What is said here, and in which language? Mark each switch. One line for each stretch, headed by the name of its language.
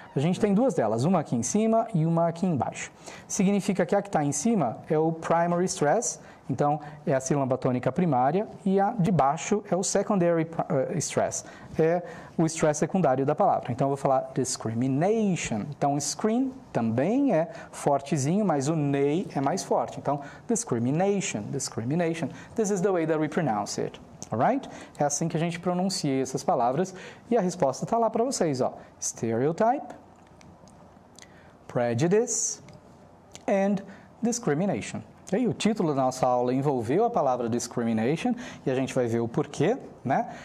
Portuguese: A gente tem duas delas, uma aqui em cima e uma aqui embaixo. Significa que a que está em cima é o primary stress, então é a sílaba tônica primária, e a de baixo é o secondary stress, é o stress secundário da palavra. Então, eu vou falar discrimination. Então, screen também é fortezinho, mas o nei é mais forte. Então, discrimination.
English: This is the way that we pronounce it. Alright?
Portuguese: É assim que a gente pronuncia essas palavras e a resposta está lá para vocês, ó.
English: Stereotype, prejudice and discrimination. Okay?
Portuguese: O título da nossa aula envolveu a palavra discrimination e a gente vai ver o porquê, né?